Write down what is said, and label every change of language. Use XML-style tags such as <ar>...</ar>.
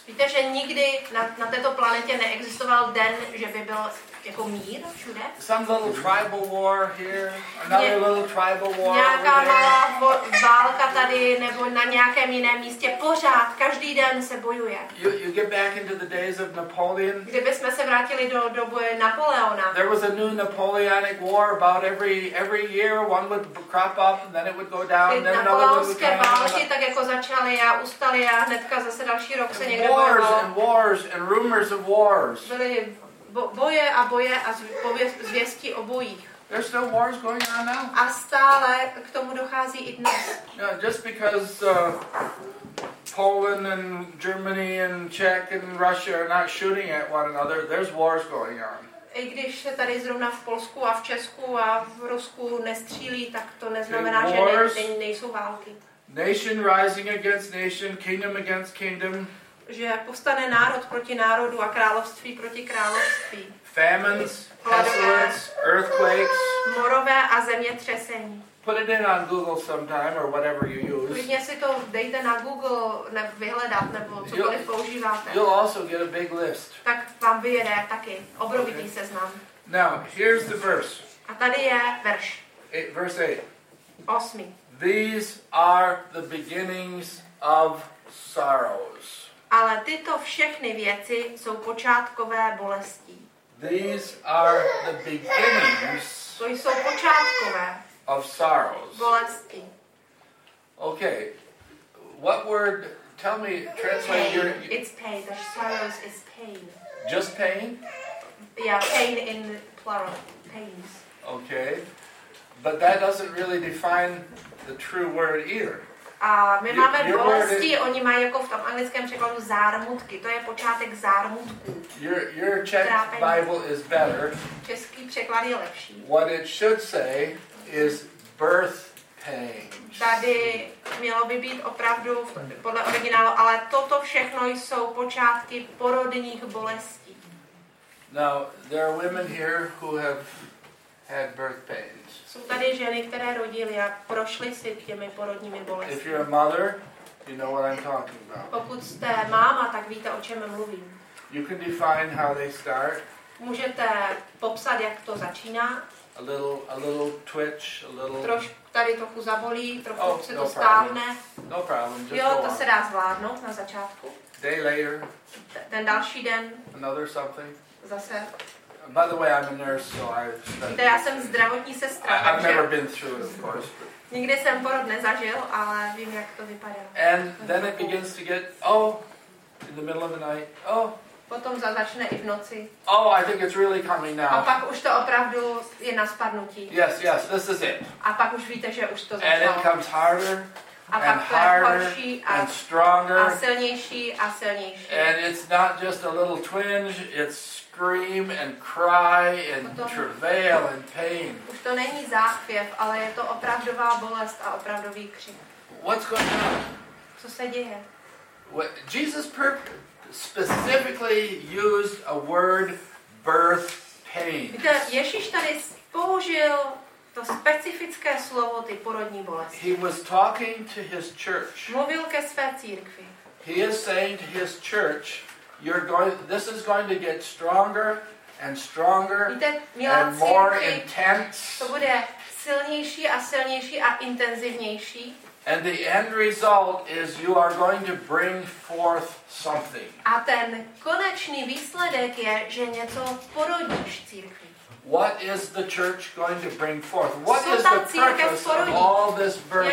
<cs>Víte, že nikdy na této planetě neexistoval den, že by byl jako mír všude?</cs> <en>Some little tribal war here, another little tribal war.</en> <cs>Nějaká malá válka tady nebo na nějakém jiném místě, pořád každý den se bojuje.</cs> <en>You get back into the days of Napoleon.</en> <cs>Kdybychom se vrátili do doby Napoleona.</cs> <en>There was a new Napoleonic war about every year, one would crop up and then it would go down, then another one would come up.</en> <cs>Války tak jako začaly a ustaly a hnedka zase další rok se někdo bojoval.</cs> <en>Wars and wars and rumors of wars.</en> <cs>Boje a boje a zvěstí o bojích.</cs> <en>There's still wars going on now.</en> <cs>A stále k tomu dochází i dnes.</cs> <en>Yeah, just because Poland and Germany and Czech and Russia are not shooting at one another, there's wars going on.</en> <cs>I když se tady zrovna v Polsku a v Česku a v Rusku nestřílí, tak to neznamená, že nejsou války.</cs> <en>Nation rising against nation, kingdom against kingdom.</en> <cs>Že povstane národ proti národu a království proti království.</cs> <en>Famines, pestilence, earthquakes.</en> <cs>Morové a zemětřesení.</cs> <en>Put it in on Google sometime or whatever you use.</en> <cs>Klidně si to dejte na Google ne, vyhledat nebo cokoliv používáte.</cs> <en>You'll also get a big list.</en> <cs>Tak vám vyjede taky obrovitý okay. seznam.</cs> <en>Now, here's the verse.</en> <cs>A tady je verš.</cs> <en>Verse 8.</en> <cs>8.</cs> <en>These are the beginnings of sorrows.</en> <cs>Ale tyto všechny věci jsou počátkové bolesti.</cs> <en>These are the beginnings.</en> <cs>To jsou počátkové.</cs> <en>Of sorrows.</en> <cs>Bolesti.</cs> <en>Okay. What word? Tell me. Translate pain. Your. It's pain. The sorrows is pain. Just pain? Yeah, pain in plural. Pains. Okay. But that doesn't really define the true word either.</en> <cs>A my you, máme bolesti, oni mají jako v tom anglickém překladu zármutky. To je počátek zármutků.</cs> <en>Your Czech trápení. Bible is better.</en> <cs>Český překlad je lepší.</cs> <en>What it should say is birth pains.</en> <cs>Tady mělo by být opravdu podle originálu, ale toto všechno jsou počátky porodních bolestí.</cs> <en>Now, there are women here who have had birth pains.</en> <cs>Jsou tady ženy, které rodily a prošly si těmi porodními bolestmi.</cs> <en>If you're a mother, you know what I'm talking about.</en> <cs>Pokud jste máma, tak víte, o čem mluvím.</cs> <en>You can define how they start.</en> <cs>Můžete popsat, jak to začíná.</cs> <en>A little twitch, a little.</en> <cs>Trošku tady trochu zabolí, trochu oh, se no to stáhne.</cs> <en>No problem. Just</en> <cs>jo, to</cs> <en>on.</en> <cs>Se dá zvládnout na začátku.</cs> <en>Day later.</en> <cs>Ten další den.</cs> <en>Another something.</en> <cs>Zase.</cs> <en>By the way, I'm a nurse, so I've.</en> <cs>Já jsem zdravotní sestra.</cs> <en>I've never been through it, of course.</en> <cs>Nikdy jsem porod nezažil, ale vím, jak to vypadá.</cs> <en>And then it begins to get oh, in the middle of the night oh.</en> <cs>Potom začne i v noci.</cs> <en>Oh, I think it's really coming now.</en> <cs>A pak už to opravdu je na spadnutí.</cs> <en>Yes, yes, this is it.</en> <cs>A pak už víte, že už to začalo.</cs> <en>And it comes harder.</en> <cs>A</cs> <en>and harder and stronger</en> <cs>a silnější a silnější.</cs> <en>And it's not just a little twinge, it's scream and cry and</en> <cs>potom,</cs> <en>travail and pain.</en> <cs>Už to není záchvěv, ale je to opravdová bolest a opravdový křik.</cs> <en>What's going on?</en> <cs>Co se děje?</cs> <en>What, Jesus specifically used a word birth pain.</en> <cs>Ježíš tady použil to specifické slovo ty porodní bolesti.</cs> <en>He was talking to his church.</en> <cs>Mluvil ke své církvi.</cs> <en>He is saying to his church, you're going this is going to get stronger and stronger and more intense.</en> <cs>To bude silnější a silnější a intenzivnější.</cs> <en>And the end result is you are going to bring forth something.</en> <cs>A ten konečný výsledek je, že něco porodíš církvi.</cs> <en>What is the church going to bring forth? What is the purpose of all this birth pain?</en>